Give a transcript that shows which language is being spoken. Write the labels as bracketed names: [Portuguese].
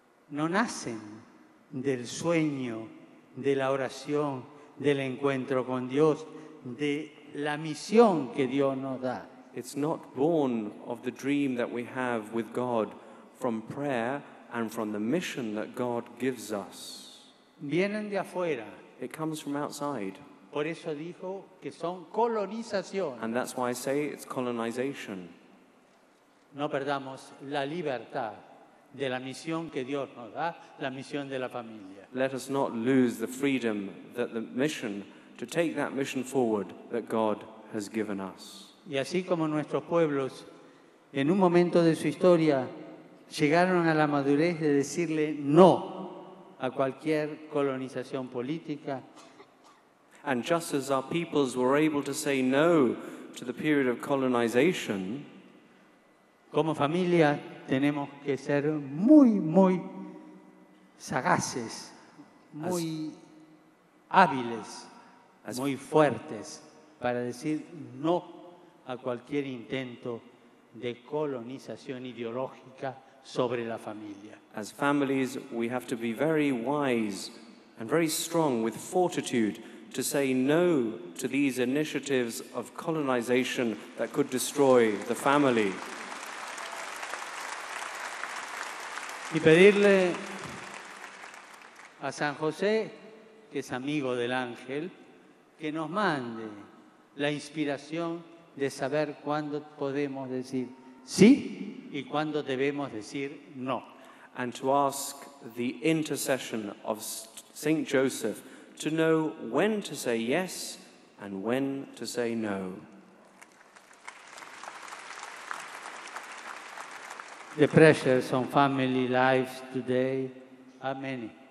[Spanish] No nacen del sueño, de la oración, del encuentro con Dios, de la misión que Dios nos da. [English] It's not born of the dream that we have with God from prayer and from the mission that God gives us. [Spanish] Vienen de afuera. [English] It comes from outside. [Spanish] Por eso dijo que son colonización. [English] And that's why I say it's colonization. [Spanish] No perdamos la libertad de la misión que Dios nos da, la misión de la familia. [English] Let us not lose the freedom that the mission, to take that mission forward that God has given us. [Spanish] Y así como nuestros pueblos en un momento de su historia llegaron a la madurez de decirle no a cualquier colonización política. [English] And just as our peoples were able to say no to the period of colonization, [Spanish] como familia tenemos que ser muy, muy sagaces, muy hábiles, muy fuertes para decir no a cualquier intento de colonización ideológica sobre la familia. [English] As families, we have to be very wise and very strong with fortitude to say no to these initiatives of colonization that could destroy the family. [Spanish] Y pedirle a San José, que es amigo del ángel, que nos mande la inspiración de saber cuándo podemos decir sí y cuándo debemos decir no. [English] And to ask the intercession of Saint Joseph to know when to say yes and when to say no. The pressures on family lives today are many.